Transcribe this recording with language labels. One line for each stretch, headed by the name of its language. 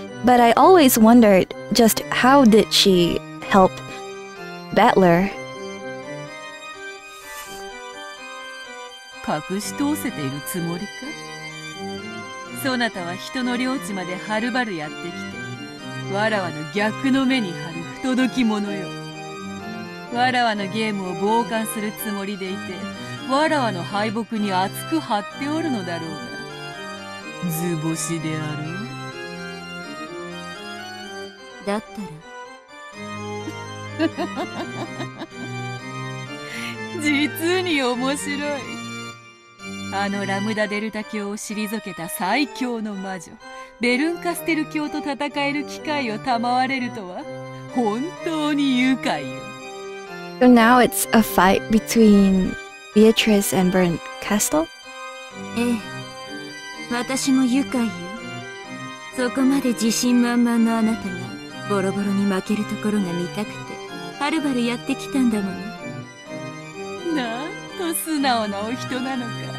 English: But I always wondered just how did she help Battler?
Japanese: 隠し通せているつもりか。そなたは人の領地まではるばるやってきて、わらわの逆の目に貼る不届き者よ。わらわのゲームを傍観するつもりでいて、わらわの敗北に厚く張っておるのだろうが、図星である。だったら実に面白い。あのラムダデルタ教を退けた最強の魔女、ベルンカステル卿と戦える機会を賜れるとは本当に愉快よ。
English: So now it's a fight between Beatrice and Bernkastel?
Japanese: ええ、私も愉快よ。そこまで自信満々のあなたがボロボロに負けるところが見たくてはるばるやってきたんだもの。なんと素直なお人なのか。